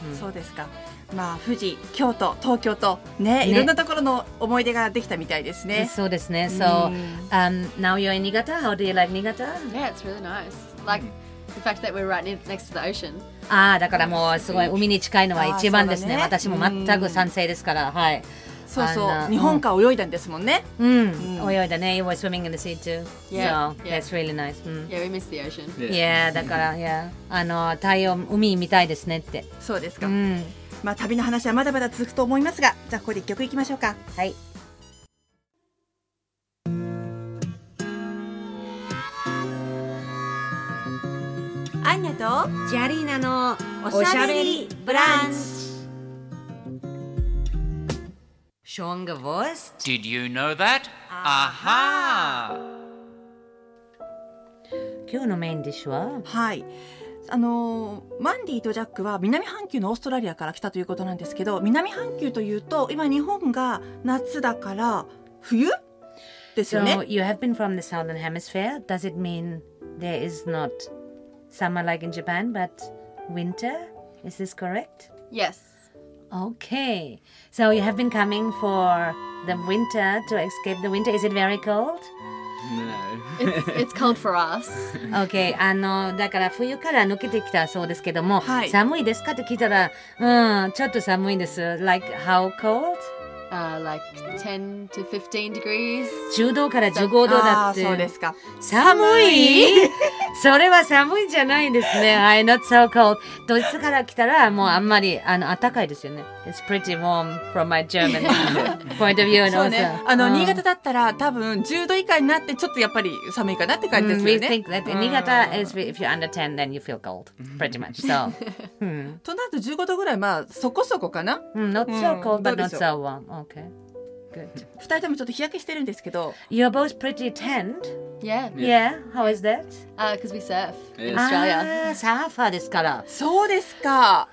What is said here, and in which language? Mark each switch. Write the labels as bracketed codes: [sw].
[ja] そうですか。まあ富士、京都、東京とね、いろんなところの思い出ができたみたいですね。そうですね。 [en] So, now you're in Niigata. How do you like Niigata? Yeah, it's really nice. Like the fact that we're right next to the ocean [ja] ああだからもうすごい海に近いのは一番ですね。私も全く賛成ですから、はい。そうそう、日本から泳いだんですもんね。泳いだね。 [en] You were swimming in the sea too. Yeah, so, that's really nice. Yeah, we miss the ocean. [ja] Yeah, だから、あの太陽、海見たいですねって。そうですか。まあ旅の話はまだまだ続くと思いますが、じゃあここで一曲いきましょうか。はい。アンニャとジャリーナのおしゃべりブランチ。 [en] Stronger voice. Did you know that? Aha! [ja] 今日のメインディッシュは、はい、あのマンディとジャックは南半球のオーストラリアから来たということなんですけど、南半球というと今日本が夏だから冬ですよね。 [en] So you have been from the southern hemisphere. Does it mean there is not summer like in Japan, but winter? Is this correct? Yes. Okay. So you have been coming for the winter to escape the winter. Is it very cold? No. It's cold for us. Okay. [ja] あの、だから冬から抜けてきたそうですけども、はい、寒いですかと聞いたら、うん、ちょっと寒いです。 Like how cold? Like 10 to 15 degrees. 10度から15度だって。ああ、そうですか。寒い？それは寒いじゃないですね。 [en] I'm not so cold. [ja] ドイツから来たらもうあんまり、あの、暖かいですよね。 [en] It's pretty warm from my German point of view. [ja] そうね。あの、新潟だったら多分10度以下になってちょっとやっぱり寒いかなって感じですよね。 [en] We think that 新潟 is if you're under 10, then you feel cold. Pretty much. So. [ja] となると15度ぐらい、まあそこそこかな。 [en] Not so cold, but not so warm. Okay, good. [ja] 二人ともちょっと日焼けしてるんですけど。 [en] You're both pretty tanned. Yeah. Yeah. How is that? Because we surf in Australia. [ja] あー、サーファーですから。そうですか。